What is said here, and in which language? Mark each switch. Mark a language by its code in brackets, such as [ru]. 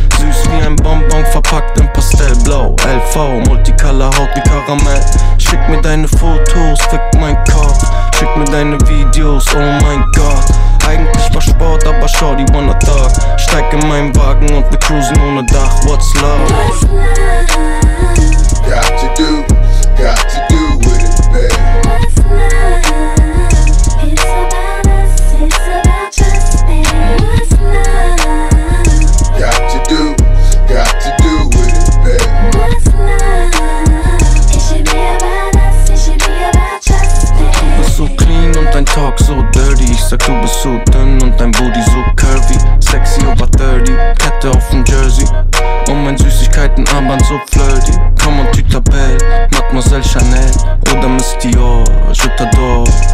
[de] Süß wie ein Bonbon, verpackt in Pastellblau. LV, Multicolor, Haut wie Karamell. Schick mir deine Fotos, fick mein Kopf. Schick mir deine Videos, oh mein Gott. Eigentlich war Sport, aber schau, die [en] wanna talk. [de] Steig in meinen Wagen und wir cruisen ohne Dach. [en] What's love? What's love? Got to do, got to do with it, babe. What's love? It's about us, it's about just babe. What's love? Got to do, got to do with it, babe. What's love? It should be about us, it should be about just babe. [de] Du bist so clean und dein Talk so dirty. Ich sag, du bist so dünn und dein Booty so curvy. Sexy over 30, Kette auf dem Jersey. Und mein Süßigkeitenarmband so flirty. [en] Come on, [fr] tu t'appelles, Mademoiselle Chanel [de] oder [fr] Miss Dior, je t'adore.